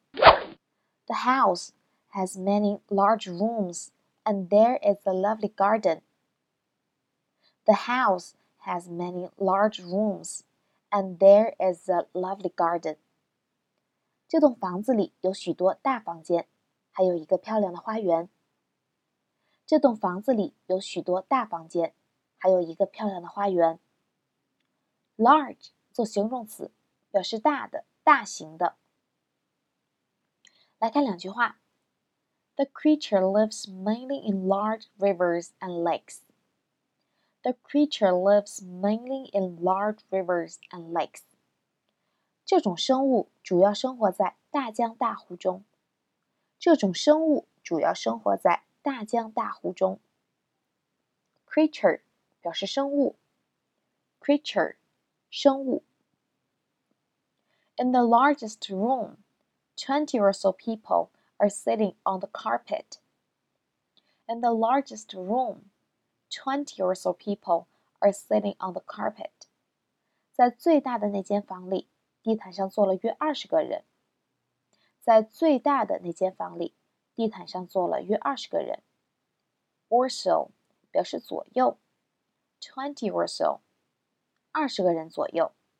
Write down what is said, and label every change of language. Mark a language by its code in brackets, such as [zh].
[en] The house has many large rooms and there is a lovely garden. The house has many large rooms and there is a lovely garden. [zh] 这栋房子里有许多大房间，还有一个漂亮的花园。这栋房子里有许多大房间。还有一个漂亮的花园。Large 做形容词，表示大的、大型的。来看两句话。 [en] The creature lives mainly in large rivers and lakes. The creature lives mainly in large rivers and lakes. [zh] 这种生物主要生活在大江大湖中。这种生物主要生活在大江大湖中。 Creature. 表示生物 creature 生物。 [en] In the largest room, 20 or so people are sitting on the carpet. In the largest room, 20 or so people are sitting on the carpet. [zh] 在最大的那间房里，地毯上坐了约二十个人。在最大的那间房里，地毯上坐了约二十个人。 Or so 表示左右。 [en] 20 or so, [zh] 二十个人左右。